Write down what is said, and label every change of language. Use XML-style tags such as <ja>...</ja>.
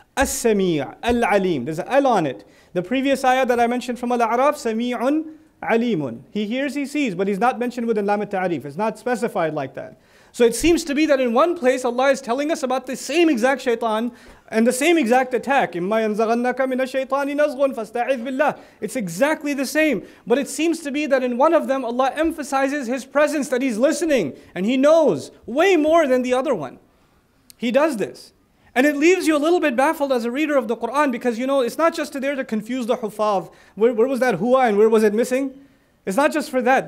<ar>السَّمِيعُ الْعَلِيمُ</ar> <en>There's an L on it. The previous ayah that I mentioned from Al-A'raf,</en> <ar>سَمِيعٌ عَلِيمٌ</ar> <en>He hears, he sees, but he's not mentioned with Lam al-Ta'rif. It's not specified like that. So it seems to be that in one place, Allah is telling us about the same exact shaitan and the same exact attack.</en> <ar>إِمَّا يَنْزَغَنَّكَ مِنَ الشَّيْطَانِ نَزْغٌ فَاسْتَعِذْ بِاللَّهِ</ar> <en>It's exactly the same. But it seems to be that in one of them, Allah emphasizes His presence, that He's listening, and He knows way more than the other one. He does this. And it leaves you a little bit baffled as a reader of the Qur'an because, you know, it's not just there to confuse the huffaz. Where was that huwa and where was it missing? It's not just for that.</en>